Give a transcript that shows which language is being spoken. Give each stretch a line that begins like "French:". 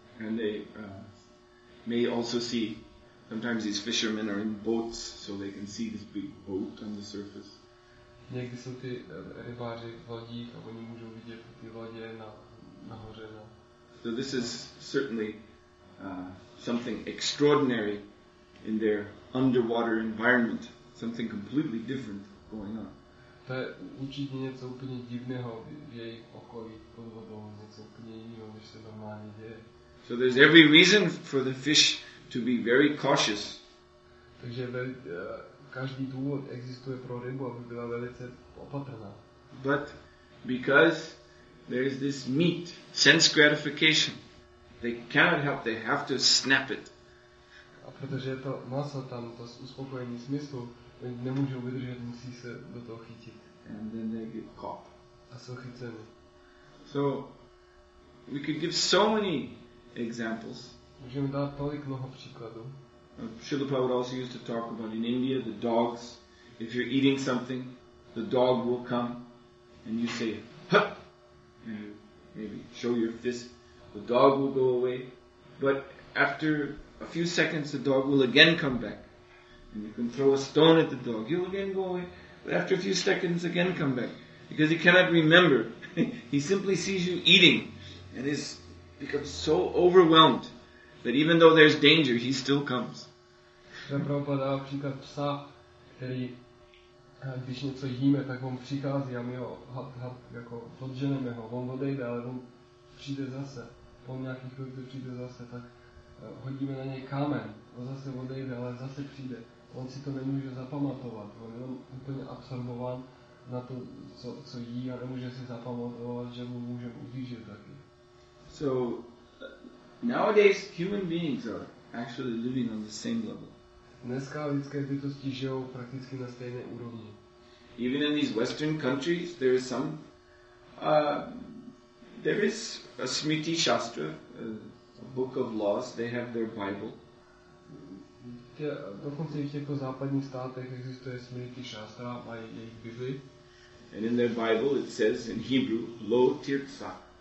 English: And they may also see. Sometimes these fishermen are in boats, so they can see this big boat on the surface.
Czech: Někdy jsou ty rybáři v lodích a oni můžou vidět ty lodě nahoře.
English: So this is certainly something extraordinary in their underwater environment. Something completely different going on.
Czech: To je určitě něco úplně divného v jejich okolí pod vodou, něco úplně jiného, než se normálně děje.
English: So there's every reason for the fish to be very cautious.
Czech: Takže každý důvod existuje pro rybu, aby byla velice opatrná.
English: But because there is this meat, sense gratification, they cannot help, they have to snap it.
Czech: A protože je to maso tam, to uspokojení smyslu, oni nemůžou vydržet, musí se do toho chytit.
English: And then they get caught.
Czech: A jsou chyceny.
English: So we could give so many examples.
Czech: Můžeme dát tolik mnoho příkladů.
English: Srila Prabhupada also used to talk about in India the dogs. If you're eating something, the dog will come and you say, huh! And you maybe show your fist. The dog will go away. But after a few seconds, the dog will again come back. And you can throw a stone at the dog. He'll again go away. But after a few seconds, again come back. Because he cannot remember. He simply sees you eating and is becomes so overwhelmed. That even though there's danger, he still comes.
Czech: Prabhupada dává příklad psa, který když něco jíme, tak on přichází a my ho jako podženeme ho, on odejde, ale on přijde zase. Po nějakých chvíli přijde zase, tak hodíme na něj kámen, on zase odejde, ale zase přijde. On si to nemůže zapamatovat, on je úplně absorbován na to, co jí a nemůže si zapamatovat, že mu můžeme ublížit taky.
English: So, nowadays, human beings are actually living on the same level.
Czech: Dneska lidské bytosti žijou prakticky na stejné úrovni.
English: Even in these Western countries, there is a Smriti Shastra, a book of laws. They have their Bible.
Czech: Dokonce i v těchto západních státech existuje Smriti Shastra, mají jejich Bibli.
English: And in their Bible, it says in Hebrew,
Hebrew: Lo Tirtsa.